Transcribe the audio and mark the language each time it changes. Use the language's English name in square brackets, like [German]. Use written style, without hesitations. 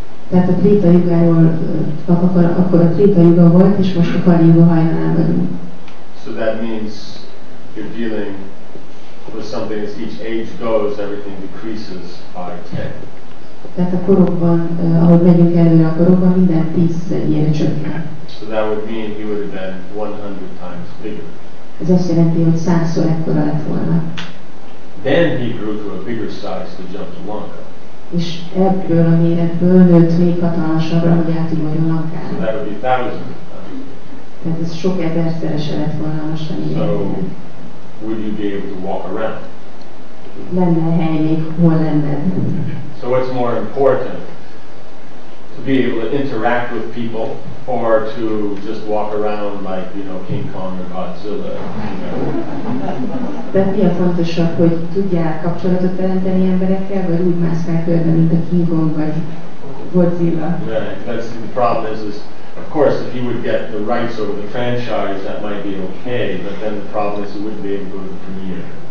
[Hungarian] Tehát a Tréta Yugáról, akkor a Tréta Yuga volt, és most a Kali Yuga hajnalában. [English] So that means you're dealing with something as each age goes, everything decreases by 10. [Hungarian] Tehát a korokban, ahol megyünk előre a korokban, minden 10 ilyen csökken. [English] So that would mean he would have been 100 times bigger. [Hungarian] Ez azt jelenti, hogy 100-szor ekkora lett volna. [English] Then he grew to a bigger size to jump to Lanka. [Hungarian] És ebből a méretből nőtt még hatalmasabbra, hogy átugorjon Lankára. [English] So that would be 1000 times. [Hungarian] Tehát ez sok ezerszerese lett volna a mostani életben. [English] So, would you be able to walk around? [Hungarian] Lenne hely még, hol lenned? [English] So what's more important, to be able to interact with people, or to just walk around like, you know, King Kong or Godzilla, you know? [Hungarian] De mi a fontosabb, hogy tudjál kapcsolatot teremteni emberekkel, vagy úgy mászkál körbe, mint a King Kong vagy Godzilla? [English] Yeah, that's the problem is of course, if he would get the rights over the franchise, that might be okay, but then the problem is he wouldn't be able to go to the premiere.